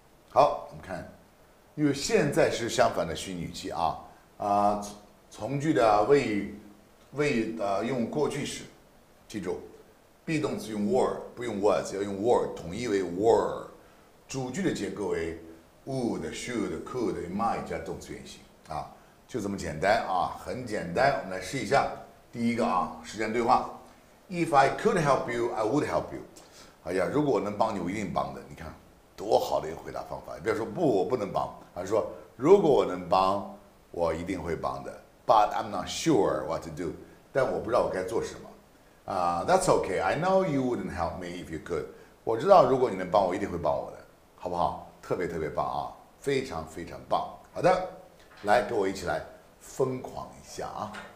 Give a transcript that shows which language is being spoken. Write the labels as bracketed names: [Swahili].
[Chinese] 好，我们看，因为现在是相反的虚拟语气啊，从句的谓语用过去式，记住 ，be 动词用 were， 不用 was， 要用 were， 统一为 were。主句的结构为 would、should、could、might 加动词原形啊，就这么简单啊，很简单。我们来试一下，第一个啊，时间对话。 [English] If I could help you, I would help you. [Chinese] 哎呀，如果我能帮你，我一定帮的。你看，多好的一个回答方法。不要说不，我不能帮，而是说如果我能帮，我一定会帮的。 [English] But I'm not sure what to do. [Chinese] 但我不知道我该做什么。 [English] That's okay. I know you wouldn't help me if you could. [Chinese] 我知道如果你能帮我，一定会帮我的，好不好？特别特别棒啊，非常非常棒。好的，来跟我一起来疯狂一下啊！